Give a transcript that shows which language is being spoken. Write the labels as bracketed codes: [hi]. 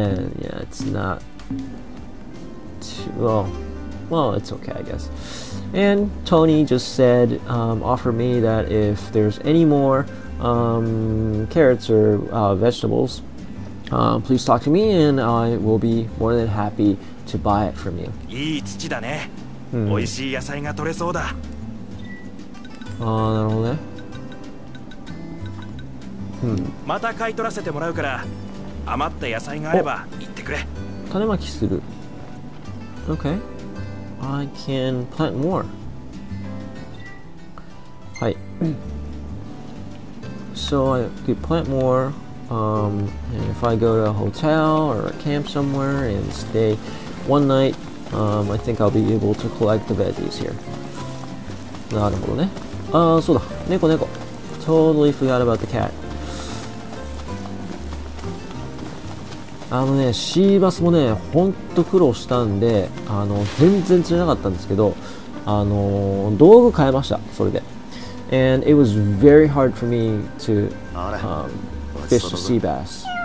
[en] Yeah, it's not too, well, it's okay, I guess. And Tony just said、offer me that if there's any more、carrots or、vegetables、please talk to me and I will be more than happy to buy it from you. [ja] いい土だね。おいしい野菜が取れそうだ。ああ、なるほどね。また買い取らせてもらうから、余った野菜があれば言ってくれ。種まきする。 [en] Okay. I can plant more. [ja] はい。 [en] So I could plant more. And if I go to a hotel or a camp somewhere and stay one night, I think I'll be able to collect the veggies here. [ja] なるほどね。ああ、そうだ。猫猫。 [en] Totally forgot about the cat. [ja] あのね、シーバスもね、ほんと苦労したんで、全然釣れなかったんですけど、道具変えました、それで。 [en] And it was very hard for me to、fish the sea bass.